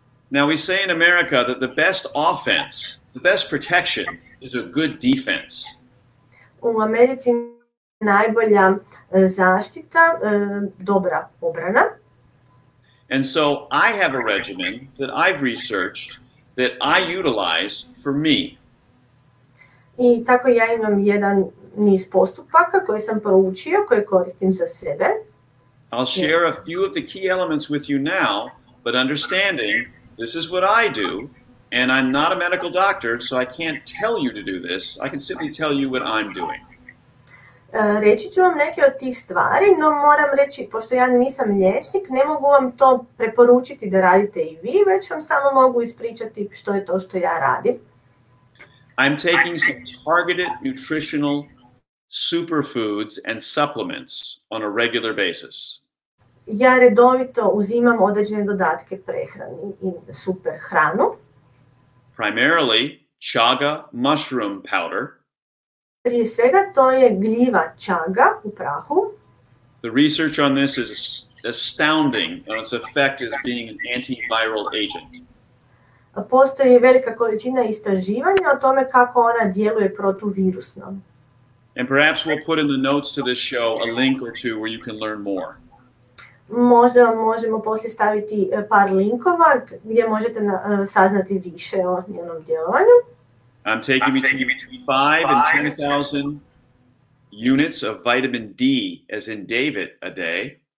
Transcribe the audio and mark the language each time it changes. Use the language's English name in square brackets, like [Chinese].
[English] Now we say in America that the best offense, the best protection is a good defense. [Croatian] U Americi najbolja zaštita, dobra obrana. [English] And so I have a regimen that I've researched that I utilize for me. [Croatian] I tako ja imam jedan niz postupaka koje sam proučio, koje koristim za sebe. [English] I'll share a few of the key elements with you now, but understanding this is what I do, and I'm not a medical doctor, so I can't tell you to do this. I can simply tell you what I'm doing. [Croatian] Reći ću vam neke od tih stvari, no moram reći, pošto ja nisam liječnik, ne mogu vam to preporučiti da radite i vi, već vam samo mogu ispričati što je to što ja radim. [English] I'm taking some targeted nutritional superfoods and supplements on a regular basis. [Croatian] Ja redovito uzimam određene dodatke prehrani i super hranu. [English] Primarily chaga mushroom powder. [Croatian] Prije svega to je gljiva čaga u prahu. [English] The research on this is astounding and its effect is being an antiviral agent. [Croatian] Postoji velika količina istraživanja o tome kako ona djeluje protuvirusno. [English] And perhaps we'll put in the notes to this show a link or two where you can learn more. [Croatian] Možda vam možemo poslije staviti par linkova gdje možete saznati više o njenom djelovanju. [English] I'm taking between 5 and 10,000 units of vitamin D, as in David, a day.